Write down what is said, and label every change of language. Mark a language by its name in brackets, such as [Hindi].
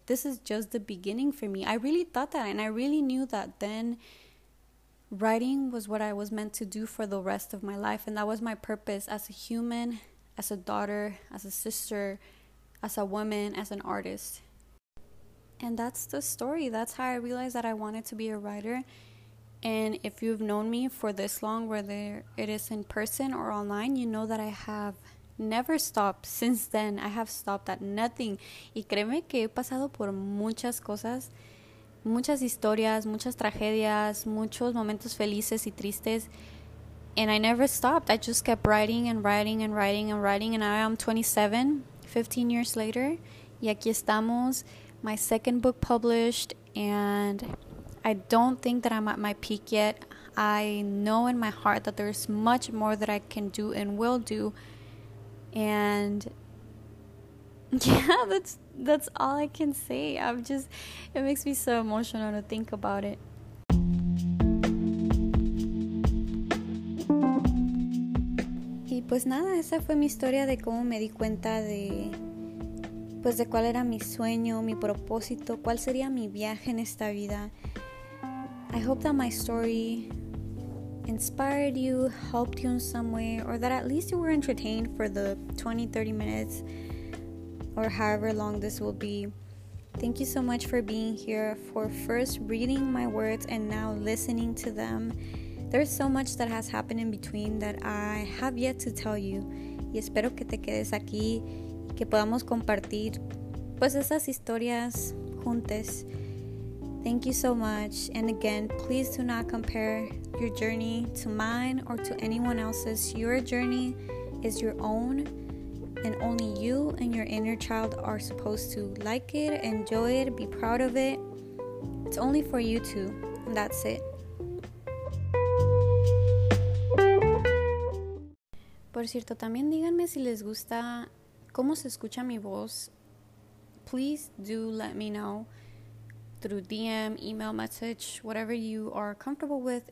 [English] This is just the beginning for me. I really thought that, and I really knew that then writing was what I was meant to do for the rest of my life, and that was my purpose as a human, as a daughter, as a sister, as a woman, as an artist. And that's the story. That's how I realized that I wanted to be a writer. And if you've known me for this long, whether it is in person or online, you know that I have never stopped since then. I have stopped at nothing. [Spanish] Y créeme que he pasado por muchas cosas, muchas historias, muchas tragedias, muchos momentos felices y tristes. [English] And I never stopped. I just kept writing and writing and writing and writing. And now I'm 27, 15 years later. [Spanish] Y aquí estamos, [English] my second book published. And I don't think that I'm at my peak yet. I know in my heart that there's much more that I can do and will do. And yeah, that's all I can say. I'm just, it makes me so emotional to think about it. [Spanish] Y pues nada, esa fue mi historia de cómo me di cuenta de, pues de cuál era mi sueño, mi propósito, cuál sería mi viaje en esta vida. [English] I hope that my story inspired you, helped you in some way, or that at least you were entertained for the 20, 30 minutes, or however long this will be. Thank you so much for being here, for first reading my words and now listening to them. There's so much that has happened in between that I have yet to tell you. [Spanish] Y espero que te quedes aquí y que podamos compartir pues esas historias juntas. [English] Thank you so much. And again, please do not compare your journey to mine or to anyone else's. Your journey is your own, and only you and your inner child are supposed to like it, enjoy it, be proud of it. It's only for you two, and that's it. [Spanish] Por cierto, también díganme si les gusta cómo se escucha mi voz. [English] Please do let me know. Through DM, email, message, whatever you are comfortable with.